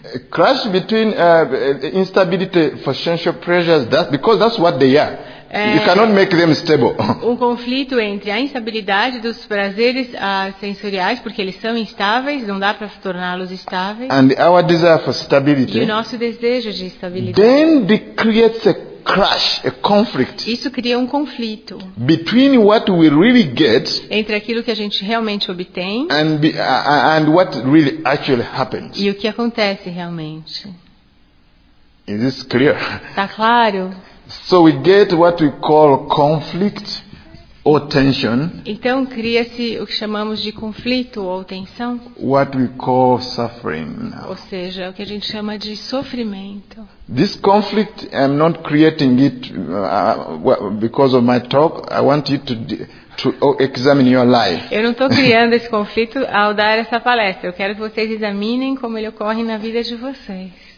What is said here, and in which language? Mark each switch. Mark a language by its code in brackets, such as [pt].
[en] Crash between instability for sensual pleasures, because that's what they are. You cannot make them stable. [pt] Um conflito entre a instabilidade dos prazeres sensoriais, porque eles são instáveis, não dá para torná-los estáveis. [en] And our desire for stability. [pt] E o nosso desejo de estabilidade. [en] Then it creates a crash, a conflict. [pt] Isso cria um conflito. [en] Between what we really get. [pt] Entre aquilo que a gente realmente obtém. [en] And what really actually happens. [pt] E o que acontece realmente. [en] Is this clear? [pt] Está claro? [en] So we get what we call conflict or tension. [pt] Então cria-se o que chamamos de conflito ou tensão. [en] What we call suffering. [pt] Ou seja, o que a gente chama de sofrimento. [en] This conflict, I'm not creating it because of my talk. I want you to examine your life. [pt] Eu não estou criando esse conflito ao dar essa palestra. Eu quero que vocês examinem como ele ocorre na vida de vocês.